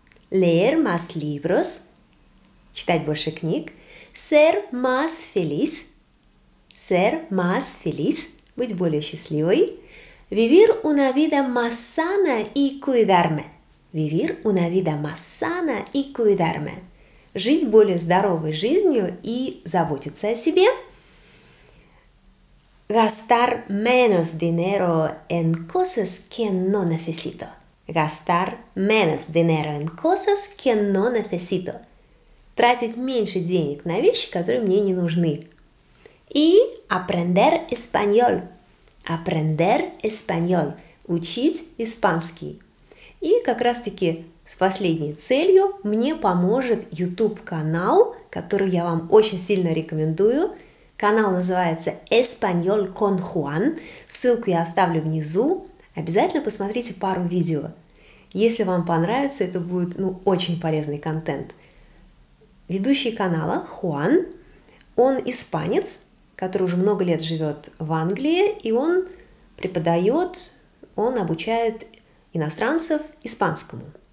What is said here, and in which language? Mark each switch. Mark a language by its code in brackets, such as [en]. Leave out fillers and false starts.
[es] Leer más libros, [ru] читать больше книг, [es] ser más feliz, [ru] быть более счастливой, [es] vivir una vida más sana y cuidarme. Vivir una vida más sana y cuidarme. [ru] Жить более здоровой жизнью и заботиться о себе. [es] Gastar menos dinero en cosas que no necesito. Gastar menos dinero en cosas que no necesito. [ru] Тратить меньше денег на вещи, которые мне не нужны. И [es] aprender español. Aprender español – [ru] учить испанский. И как раз-таки с последней целью мне поможет YouTube-канал, который я вам очень сильно рекомендую. Канал называется «Español con Juan». Ссылку я оставлю внизу. Обязательно посмотрите пару видео. Если вам понравится, это будет, ну, очень полезный контент. Ведущий канала Хуан, он испанец, который уже много лет живет в Англии, и он преподает, он обучает иностранцев испанскому.